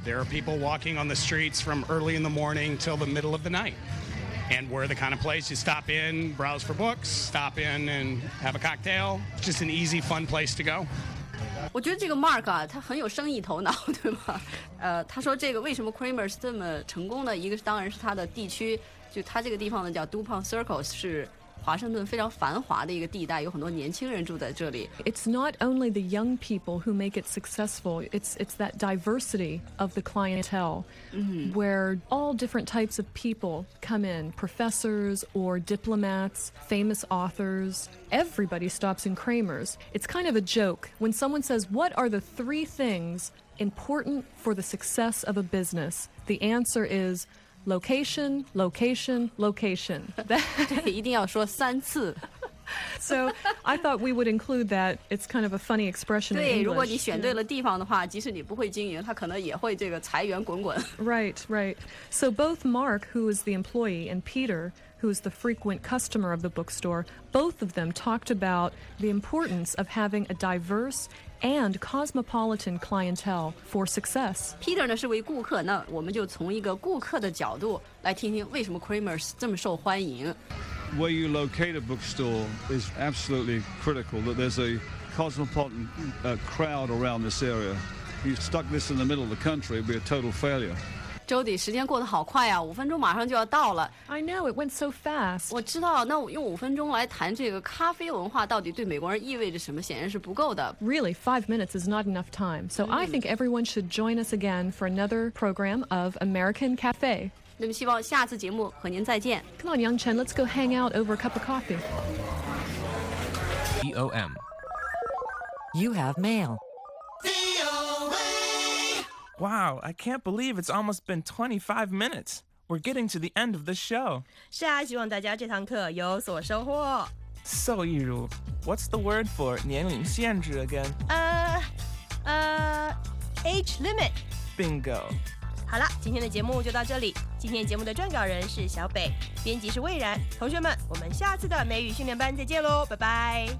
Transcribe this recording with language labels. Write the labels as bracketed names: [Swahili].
[English] There are people walking on the streets from early in the morning till the middle of the night. And we're the kind of place you stop in, browse for books, stop in and have a cocktail. Just an easy, fun place to go. [Chinese] 我觉得这个 Mark 啊，他很有生意头脑，对吗？他说这个为什么 Kramer's 这么成功呢？一个当然是他的地区，就他这个地方呢叫 DuPont Circle 是。华盛顿非常繁华的一个地带，有很多年轻人住在这里。 [English] It's not only the young people who make it successful. It's that diversity of the clientele, where all different types of people come in. Professors or diplomats, famous authors. Everybody stops in Kramer's. It's kind of a joke when someone says, "What are the three things important for the success of a business?" The answer is. Location, location, location. [Chinese] 对，一定要说三次。 [English] So I thought we would include that. It's kind of a funny expression in English. [Chinese] 对，如果你选对了地方的话，即使你不会经营，他可能也会这个财源滚滚。 [English] Right, right. So both Mark, who is the employee, and Peter, who is the frequent customer of the bookstore, both of them talked about the importance of having a diverse and cosmopolitan clientele for success. [Chinese] Peter 呢是位顾客，那我们就从一个顾客的角度来听听为什么 Kramer's 这么受欢迎。 [English] Where you locate a bookstore is absolutely critical, that there's a cosmopolitan crowd around this area. You stuck this in the middle of the country, it'd be a total failure. [Chinese] Jody， 时间过得好快啊，五分钟马上就要到了。 [English] I know it went so fast。 [Chinese] 我知道，那我用五分钟来谈这个咖啡文化到底对美国人意味着什么，显然是不够的。 [English] Really, 5 minutes is not enough time. So I think everyone should join us again for another program of American Cafe. [Chinese] 那么希望下次节目和您再见。 [English] Come on, Yang Chen, let's go hang out over a cup of coffee. VOM, you have mail. Wow, I can't believe it's almost been 25 minutes. We're getting to the end of the show. [Chinese] 是啊，希望大家这堂课有所收获。 [English] So, Yiru, what's the word for [Chinese] 年龄限制 [English] again? Age limit. Bingo. [Chinese] 好了，今天的节目就到这里。今天节目的撰稿人是小北，编辑是蔚然。同学们，我们下次的美语训练班再见咯，拜拜。